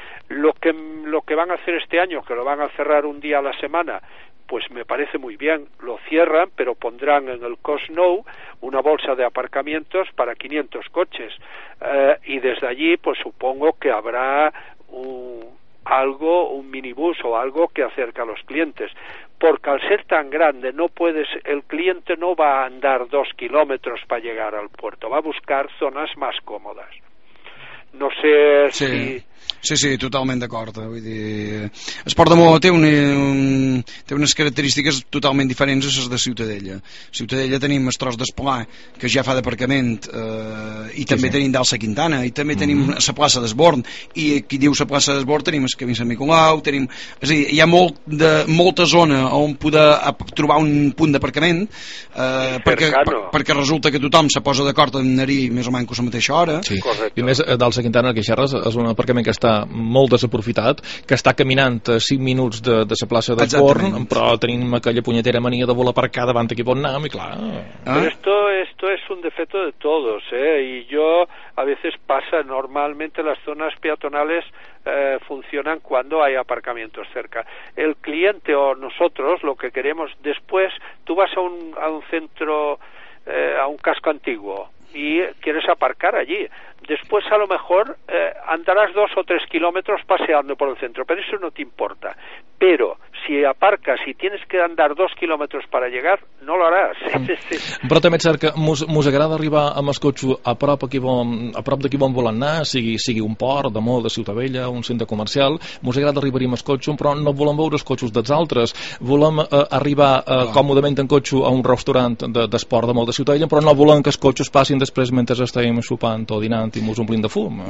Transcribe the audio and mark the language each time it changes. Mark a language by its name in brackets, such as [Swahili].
[Spanish] Lo que van a hacer este año, que lo van a cerrar un día a la semana, pues me parece muy bien, lo cierran, pero pondrán en el Cosnou una bolsa de aparcamientos para 500 coches y desde allí pues supongo que habrá un minibús o algo que acerca a los clientes, porque al ser tan grande el cliente no va a andar 2 kilómetros para llegar al puerto, va a buscar zonas más cómodas. no sé sí. si... [Catalan] Sí, sí, totalment d'acord. Vull dir, Esport de Moda té, té unes característiques totalment diferents a les de Ciutadella. A Ciutadella tenim Estros d'Espolà, que ja fa d'aparcament, i sí, també sí. tenim d'Alça Quintana, i també tenim la plaça d'Esborn, i qui diu la plaça d'Esborn tenim el camí Sant Nicolau, tenim... És a dir, hi ha molt de, molta zona on poder trobar un punt d'aparcament, perquè resulta que tothom se posa d'acord en anar-hi més o menys a la mateixa hora. Sí. I a més, d'Alça Quintana, el que xerres, és un aparcament que està molt desaprofitat, que està caminant 5 minuts de la plaça de Born, però tenim aquella punyetera mania de voler aparcar davant d'aquí on anem, i clar... [Spanish] Però esto es un defecto de todos, ¿eh? Y yo a veces pasa, normalmente las zonas peatonales funcionan cuando hay aparcamientos cerca. El cliente o nosotros lo que queremos, después tú vas a un centro, a un casco antiguo, y quieres aparcar allí. Después, a lo mejor, andarás 2 o 3 kilómetros paseando por el centro, pero eso no te importa. Pero si aparcas y tienes que andar 2 kilómetros para llegar, no lo harás. [Catalan] Però també és cert que mos agrada arribar amb el cotxe a prop d'aquí on volen anar, sigui un port, de Moda, Ciutadella, un centre comercial, mos agrada arribar amb el cotxe, però no volem veure els cotxes dels altres. Volem arribar còmodament en cotxe a un restaurant d'esport de Moda, Ciutadella, però no volem que els cotxes passin després mentre estem sopant o dinant i mos omplint de fum.